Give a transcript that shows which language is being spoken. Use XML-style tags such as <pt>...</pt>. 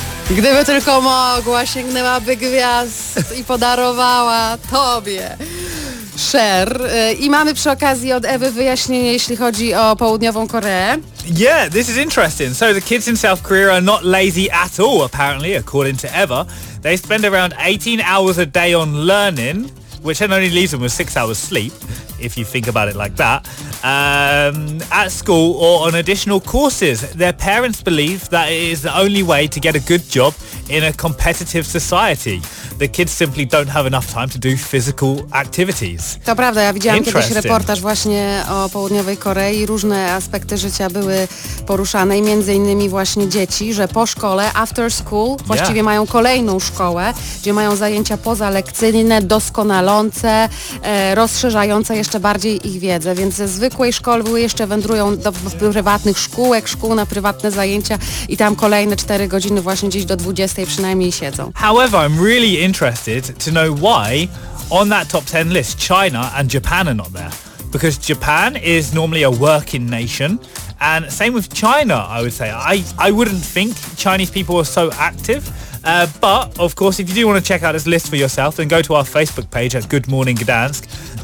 <pl>Gdyby tylko mogła, sięgnęłaby gwiazd i podarowała tobie, Cher. I mamy przy okazji od Ewy wyjaśnienie, jeśli chodzi o Południową Koreę.</pl> <en>Yeah, this is interesting. So the kids in South Korea are not lazy at all, apparently, according to Eva. They spend around 18 hours a day on learning, which then only leaves them with 6 hours sleep, if you think about it like that, at school or on additional courses. Their parents believe that it is the only way to get a good job in a competitive society. The kids simply don't have enough time to do physical activities.</en> <pl>To prawda, ja widziałam kiedyś reportaż właśnie o Południowej Korei. Różne aspekty życia były poruszane i między innymi właśnie dzieci, że po szkole,</pl> <en>after school,</en> <pl>właściwie</pl> <en>yeah.</en> <pl>mają kolejną szkołę, gdzie mają zajęcia pozalekcyjne, doskonalące, rozszerzające jeszcze bardziej ich wiedzę, więc ze zwykłej szkoły jeszcze wędrują do prywatnych szkółek, szkół na prywatne zajęcia i tam kolejne 4 godziny właśnie gdzieś do 20 przynajmniej siedzą.</pl> <en>However, I'm really interested to know why on that top 10 list China and Japan are not there. Because Japan is normally a working nation and same with China, I would say. I wouldn't think Chinese people are so active. But, of course, if you do want to check out this list for yourself, then go to our Facebook page at Good Morning Gdansk.</en>